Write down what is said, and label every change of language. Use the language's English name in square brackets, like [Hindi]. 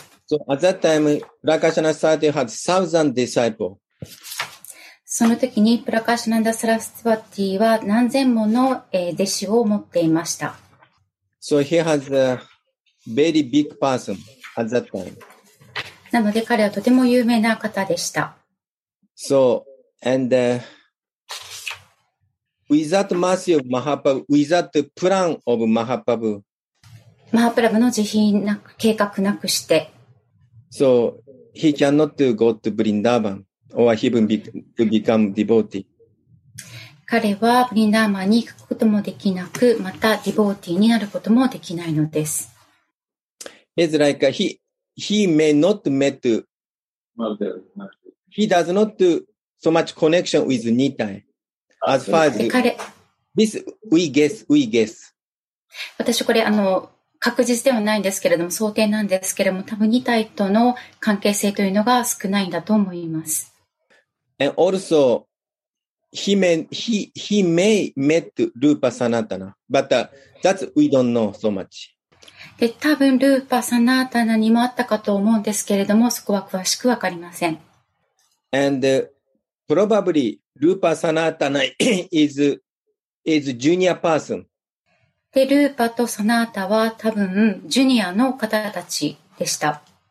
[English] So at that time, Prakashananda Saraswati had 1,000 disciples. [Japanese] その時に Prakashananda Saraswati は何千もの弟子を持っていました。 [English] So he has a very big person at that time. [Japanese] なので彼はとても有名な方でした。 [English] So, and without mercy of Mahaprabhu, without the plan of Mahaprabhu, [Japanese] Mahaprabhu の慈悲な計画なくして、 [English] So he cannot go to Vrindavan or even become devotee. [Japanese] 彼はブリンダーバンに行くこともできなく、またディボーティーになることもできないのです。 [English] It's like he may not met he does not do so much connection with Nittai as far as this we guess. [Japanese] 私これ確実ではないんですけれども、想定なんですけれども、多分2体との関係性というのが少ないんだと思います。 [English] And also, he may met Rupa Sanatana, but that's we don't know so much. [Japanese] で、多分ルーパサナタナにもあったかと思うんですけれども、そこは詳しくわかりません。 [English] And probably Rupa Sanatana is junior person. [Japanese] で、ルーパとサナータは多分、ジュニアの方たちでした。